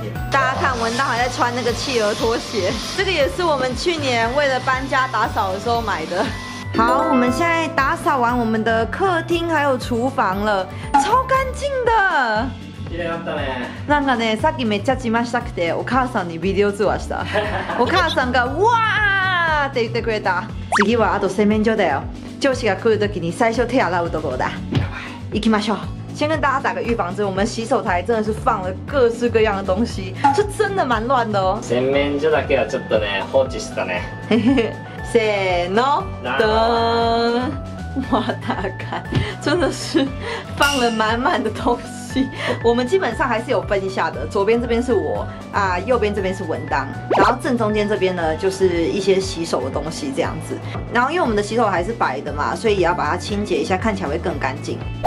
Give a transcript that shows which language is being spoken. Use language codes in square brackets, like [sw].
[zh] 大家看文道还在穿那个企鹅拖鞋，这个也是我们去年为了搬家打扫的时候买的。好，我们现在打扫完我们的客厅还有厨房了，超干净的。 [ja] なんかね、さっきめっちゃ自慢したくてお母さんにビデオ通話した。お母さんがわーって言ってくれた。次はあと洗面所だよ。上司が来るときに最初手洗うところだ。行きましょう。 [zh] 先跟大家打个预防针，我们洗手台真的是放了各式各样的东西，是真的蛮乱的哦。 [ja] 洗面所だけはちょっとね放置したね。せーの、どん。 [zh] 哇，大概真的是放了满满的东西。我们基本上还是有分一下的，左边这边是我啊，右边这边是文当，然后正中间这边呢就是一些洗手的东西这样子。然后因为我们的洗手台是白的嘛，所以也要把它清洁一下，看起来会更干净。